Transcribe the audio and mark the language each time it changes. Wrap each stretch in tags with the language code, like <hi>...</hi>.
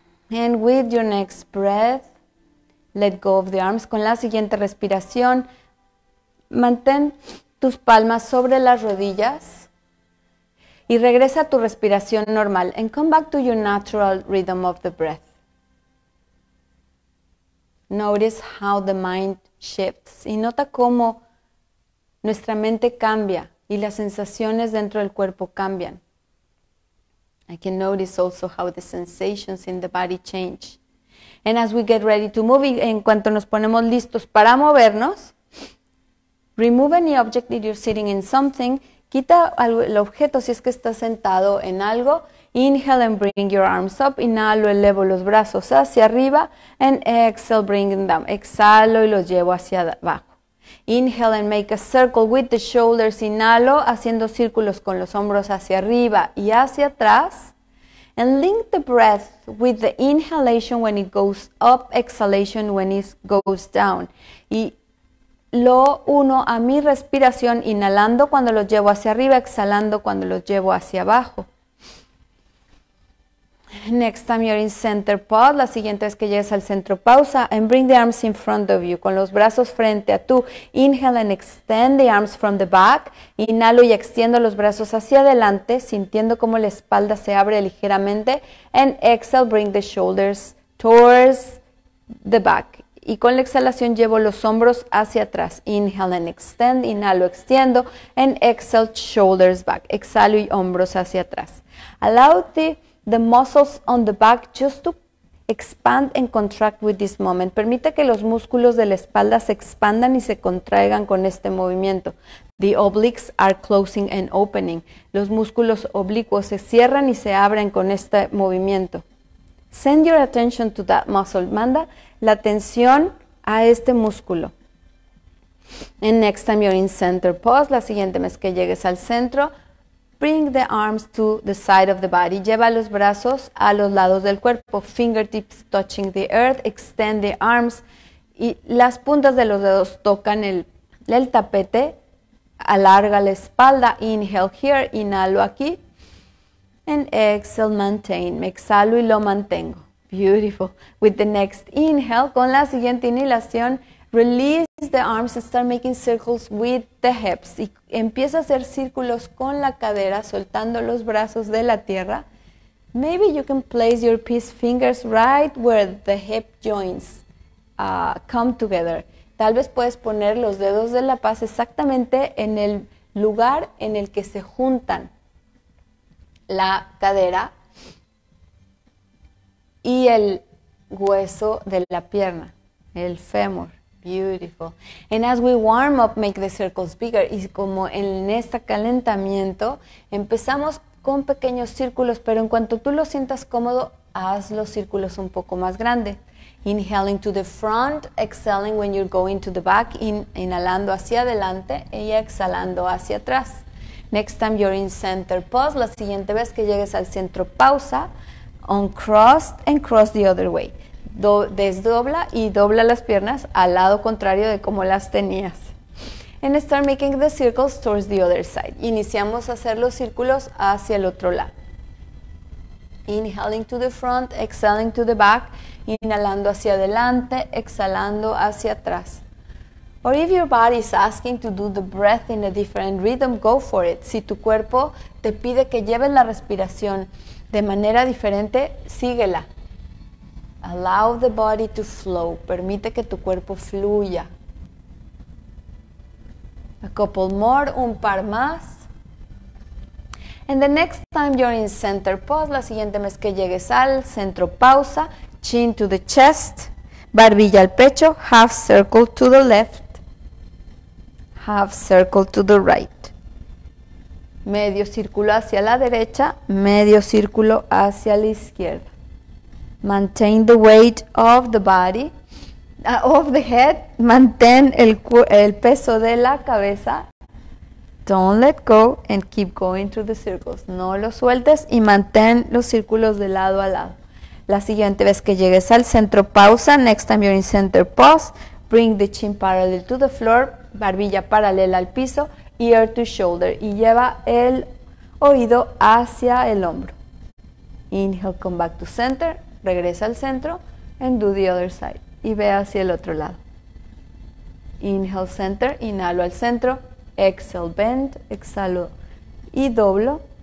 <en>And with your next breath, let go of the arms.</en> <es>Con la siguiente respiración, mantén tus palmas sobre las rodillas y regresa a tu respiración normal.</es> <en>And come back to your natural rhythm of the breath. Notice how the mind shifts.</en> <es>Y nota cómo nuestra mente cambia y las sensaciones dentro del cuerpo cambian.</es> <en>I can notice also how the sensations in the body change. And as we get ready to move,</en> <es>en cuanto nos ponemos listos para movernos,</es> <en>remove any object if you're sitting in something.</en> <es>Quita el objeto si es que estás sentado en algo.</es> <en>Inhale and bring your arms up.</en> <es>Inhalo, elevo los brazos hacia arriba.</es> <en>And exhale, bring them down.</en> <es>Exhalo y los llevo hacia abajo.</es> <en>Inhale and make a circle with the shoulders.</en> <es>Inhalo, haciendo círculos con los hombros hacia arriba y hacia atrás.</es> <en>And link the breath with the inhalation when it goes up, exhalation when it goes down.</en> <es>Y lo uno a mi respiración, inhalando cuando los llevo hacia arriba, exhalando cuando los llevo hacia abajo.</es> <en>Next time you're in center pod,</en> <es>la siguiente vez que llegues al centro, pausa</es> <en>and bring the arms in front of you,</en> <es>con los brazos frente a tú.</es> <en>Inhale and extend the arms from the back.</en> <es>Inhalo y extiendo los brazos hacia adelante, sintiendo cómo la espalda se abre ligeramente.</es> <en>And exhale, bring the shoulders towards the back.</en> <es>Y con la exhalación llevo los hombros hacia atrás.</es> <en>Inhale and extend,</en> <es>inhalo, extiendo.</es> <en>And exhale, shoulders back.</en> <es>Exhalo y hombros hacia atrás.</es> <en>Allow the muscles on the back just to expand and contract with this moment.</en> <es>Permite que los músculos de la espalda se expandan y se contraigan con este movimiento.</es> <en>The obliques are closing and opening.</en> <es>Los músculos oblicuos se cierran y se abren con este movimiento.</es> <en>Send your attention to that muscle.</en> <es>Manda la atención a este músculo.</es> <en>And next time you're in center pose,</en> <es>la siguiente vez que llegues al centro,</es> <en>bring the arms to the side of the body.</en> <es>Lleva los brazos a los lados del cuerpo.</es> <en>Fingertips touching the earth. Extend the arms.</en> <es>Y las puntas de los dedos tocan el tapete. Alarga la espalda.</es> <en>Inhale here.</en> <es>Inhalo aquí.</es> <en>And exhale, maintain.</en> <es>Me exhalo y lo mantengo.</es> <en>Beautiful. With the next inhale,</en> <es>con la siguiente inhalación,</es> <en>release the arms and start making circles with the hips.</en> <es>Y empieza a hacer círculos con la cadera, soltando los brazos de la tierra.</es> <en>Maybe you can place your peace fingers right where the hip joints come together.</en> <es>Tal vez puedes poner los dedos de la paz exactamente en el lugar en el que se juntan la cadera y el hueso de la pierna, el fémur.</es> <en>Beautiful. And as we warm up, make the circles bigger.</en> <es>Y como en este calentamiento, empezamos con pequeños círculos, pero en cuanto tú lo sientas cómodo, haz los círculos un poco más grande.</es> <en>Inhaling to the front, exhaling when you're going to the back,</en> <es>inhalando hacia adelante y exhalando hacia atrás.</es> <en>Next time you're in center pause,</en> <es>la siguiente vez que llegues al centro, pausa,</es> <en>uncross and cross the other way.</en> <es>Desdobla y dobla las piernas al lado contrario de como las tenías.</es> <en>And start making the circles towards the other side.</en> <es>Iniciamos a hacer los círculos hacia el otro lado.</es> <en>Inhaling to the front, exhaling to the back,</en> <es>inhalando hacia adelante, exhalando hacia atrás.</es> <en>Or if your body is asking to do the breath in a different rhythm, go for it.</en> <es>Si tu cuerpo te pide que lleves la respiración de manera diferente, síguela.</es> <en>Allow the body to flow.</en> <es>Permite que tu cuerpo fluya.</es> <en>A couple more,</en> <es>un par más.</es> <en>And the next time you're in center pause,</en> <es>la siguiente vez que llegues al centro, pausa,</es> <en>chin to the chest,</en> <es>barbilla al pecho,</es> <en>half circle to the left, half circle to the right.</en> <es>Medio círculo hacia la derecha, medio círculo hacia la izquierda.</es> <en>Maintain the weight of the body, of the head.</en> <es>Mantén el peso de la cabeza.</es> <en>Don't let go and keep going through the circles.</en> <es>No lo sueltes y mantén los círculos de lado a lado. La siguiente vez que llegues al centro, pausa.</es> <en>Next time you're in center pause, bring the chin parallel to the floor,</en> <es>barbilla paralela al piso,</es> <en>ear to shoulder</en> <es>y lleva el oído hacia el hombro.</es> <en>Inhale, come back to center,</en> <es>regresa al centro</es> <en>and do the other side</en> <es>y ve hacia el otro lado.</es> <en>Inhale, center,</en> <es>inhalo al centro,</es> <en>exhale, bend,</en> <es>exhalo y doblo.</es>